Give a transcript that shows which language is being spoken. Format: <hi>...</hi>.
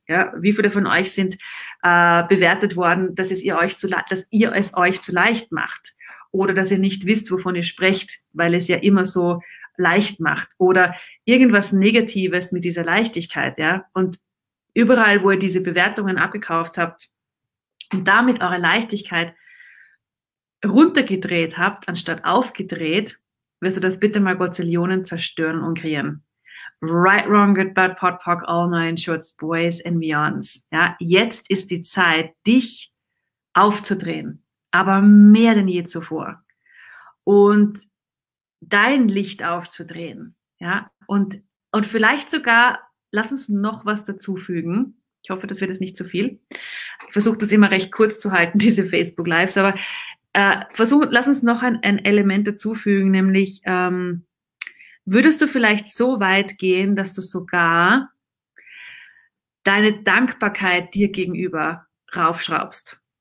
<de>Ja, wie viele von euch sind bewertet worden, dass ihr es euch zu leicht macht oder dass ihr nicht wisst, wovon ihr sprecht, weil es ja immer so leicht macht oder irgendwas Negatives mit dieser Leichtigkeit. Ja, und überall, wo ihr diese Bewertungen abgekauft habt und damit eure Leichtigkeit runtergedreht habt, anstatt aufgedreht, wirst du das bitte mal Gottzillionen zerstören und kreieren.</de> <en>Right, wrong, good, bad, pot, pock, all nine shorts, boys and beyonds.</en> <de>Ja, jetzt ist die Zeit, dich aufzudrehen, aber mehr denn je zuvor. Und dein Licht aufzudrehen. Ja, und vielleicht sogar, lass uns noch was dazufügen. Ich hoffe, das wird jetzt nicht zu viel. Ich versuche das immer recht kurz zu halten, diese Facebook-Lives, aber lass uns noch ein Element dazufügen, nämlich würdest du vielleicht so weit gehen, dass du sogar deine Dankbarkeit dir gegenüber raufschraubst?</de>